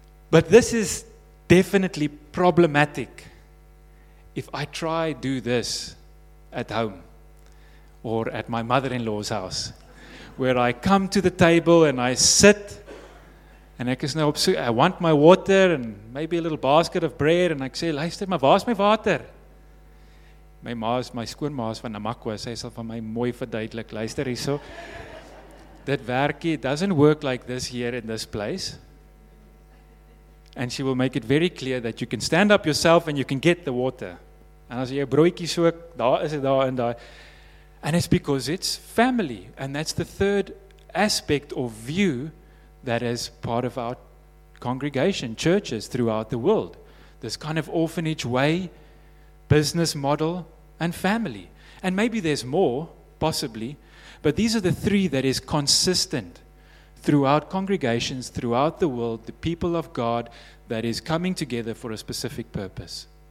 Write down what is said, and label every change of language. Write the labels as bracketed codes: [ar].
[en] But this is definitely problematic. If I try do this at home or at my mother-in-law's house, where I come to the table and I sit and [af] ek is nou op soek, [en] I want my water and maybe a little basket of bread, and I say, [af] luister, maar waar is my water? My ma's, my skoonma's van Namakwa, sy sal van my mooi verduidelik, luister hierso. Dit werk nie, [en] it doesn't work like this here in this place. And she will make it very clear that you can stand up yourself and you can get the water. [af] And as jy broodjie soek, daar is het daar en daar. [en] And it's because it's family. And that's the third aspect of view that is part of our congregation, churches throughout the world. This kind of orphanage way, business model, and family. And maybe there's more, possibly, but these are the three that is consistent throughout congregations, throughout the world, the people of God that is coming together for a specific purpose.